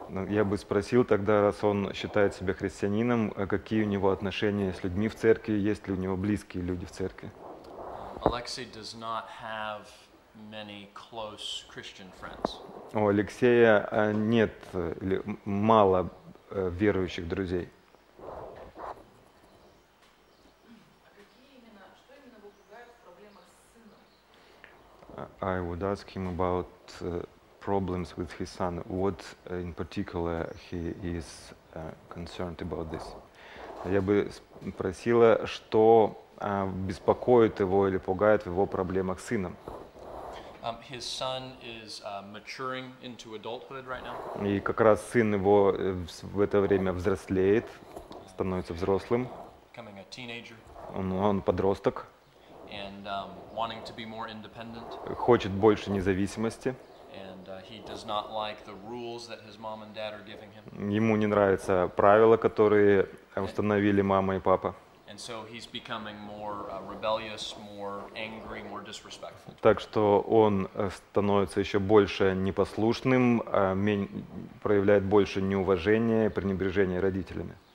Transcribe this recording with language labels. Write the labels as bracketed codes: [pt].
[ru] Я бы спросил тогда, раз он считает себя христианином, какие у него отношения с людьми в церкви, есть ли у него близкие люди в церкви? [en] Alexei does not have many close Christian friends. [ru] У Алексея нет или мало верующих друзей. А какие именно, что именно его пугает в проблемах с сыном? [en] I would ask him about problems with his son. What in particular he is concerned about this? [ru] Я бы спросила, что беспокоит его или пугает в его проблемах с сыном. [en] His son is maturing into adulthood right now. [ru] И как раз сын его в это время взрослеет, становится взрослым. [en] Becoming a teenager. [ru] Он подросток. [en] And wanting to be more independent. [ru] Хочет больше независимости. [en] And he does not like the rules that his mom and dad are giving him. [ru] Ему не нравятся правила, которые установили мама и папа. [en] And so he's becoming more rebellious, more angry, more disrespectful. [ru] Так что он становится еще больше непослушным, проявляет больше неуважения, пренебрежения родителями.